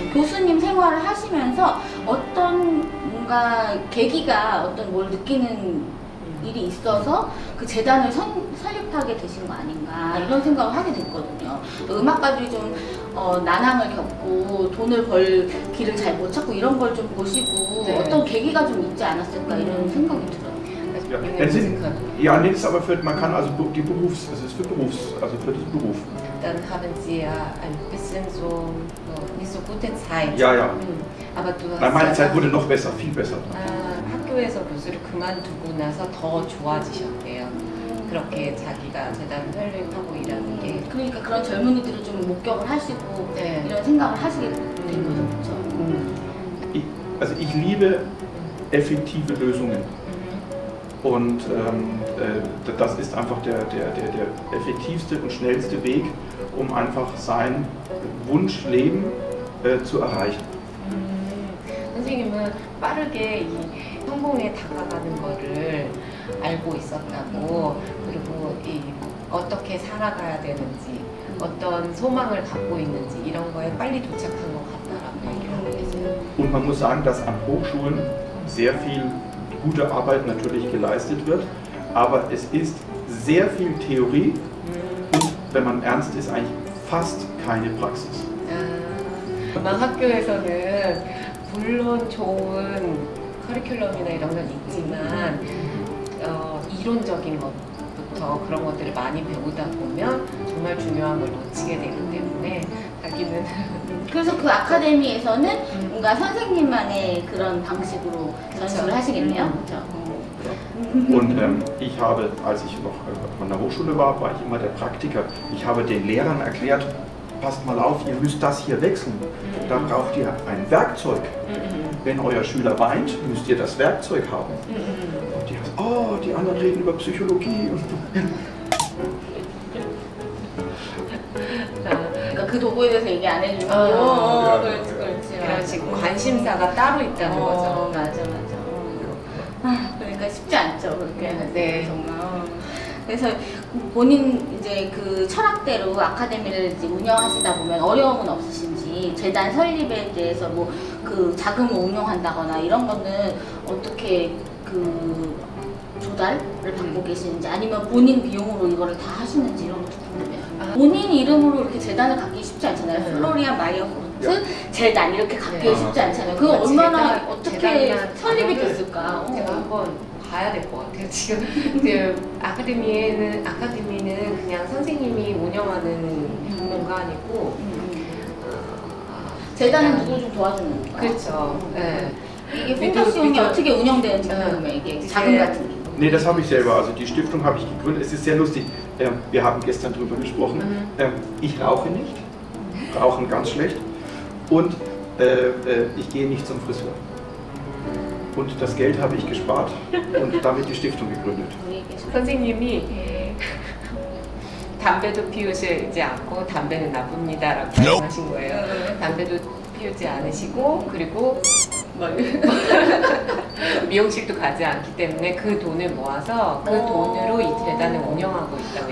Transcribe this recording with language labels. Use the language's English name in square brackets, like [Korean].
[Korean] 교수님 생활을 하시면서 어떤 뭔가 계기가 어떤 뭘 느끼는 일이 있어서 그 재단을 설립하게 되신 거 아닌가 이런 생각을 하게 됐거든요. 음악가들이 좀 난항을 겪고 돈을 벌 길을 잘 못 찾고 이런 걸 좀 보시고 네. 어떤 계기가 좀 있지 않았을까 이런 생각이 들어요. [German] ja. Ja, Sinn Sinn ja, nee, ist aber für, man kann also die Berufs, es ist für Berufs, also für das Beruf. Dann haben Sie ja ein bisschen so, nicht so gute Zeit. Ja, ja. Aber du hast meine Zeit wurde noch besser, viel besser. [Korean] 학교에서 교수를 그만두고 나서 더 좋아지셨대요. 그렇게 자기가 재단 펠링하고 일하는 게. 그러니까 그런 젊은이들을 좀 목격을 하시고 네. 이런 생각을 하시게 된 거죠. 그렇죠? [German] Also ich liebe effektive Lösungen. Und das ist einfach der effektivste und schnellste Weg, um einfach sein Wunschleben zu erreichen. [Korean] 선생님은 빠르게 이 성공에 다가가는 거를 알고 있었다고 그리고 이 어떻게 살아가야 되는지 어떤 소망을 갖고 있는지 이런 거에 빨리 도착한 것 같다라고 얘기를 하고 계세요. [German] Und man muss sagen, dass an Hochschulen sehr viel gute Arbeit natürlich geleistet wird, aber es ist sehr viel Theorie und wenn man ernst ist, eigentlich fast keine Praxis. [Korean] 아, 학교에서는 물론 좋은 커리큘럼이나 이런 건 있지만 이론적인 것부터 그런 것들을 많이 배우다 보면 정말 중요한 걸 놓치게 되기 때문에 자기는 그래서 그 아카데미에서는 뭔가 선생님만의 그런 방식으로 전수를 하시겠네요. 그렇죠. [German] Und ich habe, als ich noch an der Hochschule war, war ich immer der Praktiker. Ich habe den Lehrern erklärt, passt mal auf, ihr müsst das hier wechseln. Da braucht ihr ein Werkzeug. Wenn euer Schüler weint, müsst ihr das Werkzeug haben. Und die sagen, oh, die anderen reden über Psychologie. [Korean] 그 도구에 대해서 얘기 안 해주고 그렇지 그렇지 그런 식으로 관심사가 따로 있다는 거죠. 맞아 맞아. 그러니까 쉽지 않죠 그렇게. 네 정말. 그래서 본인 이제 그 철학대로 아카데미를 이제 운영하시다 보면 어려움은 없으신지 재단 설립에 대해서 뭐 그 자금을 운영한다거나 이런 거는 어떻게 그 조달을 받고 계시는지 아니면 본인 비용으로 이거를 다 하시는지 이런 것도 궁금해요. 본인 이름으로 이렇게 재단을 갖기 쉽지 않잖아요. 플로리안 마이어코트 재단 이렇게 갖기 쉽지 않잖아요. 그 얼마나 재단, 어떻게 설립이 됐을까? 제가 한번 봐야 될 것 같아요. 지금 아카데미에는 아카데미는 그냥 선생님이 운영하는 공간이고 어, 재단은 누구 좀 도와주는 거예요? 그렇죠. 네. 이게 펜타시온이 어떻게 운영되는지 궁금해. 이게 자금 같은 게. [German] Nee, das habe ich selber. Also die Stiftung habe ich gegründet. Es ist sehr lustig. Wir haben gestern darüber gesprochen. Ich rauche nicht. Rauchen ganz schlecht. Und ich gehe nicht zum Friseur. Und das Geld habe ich gespart und damit die Stiftung gegründet. [Korean] 선생님이 담배도 피우지 않고 담배는 나쁩니다라고 말씀하신 거예요. 담배도 피우지 않으시고 그리고 미용실도 가지 않기 때문에 그 돈을 모아서 그 돈으로 이 재단을 운영하고 있다고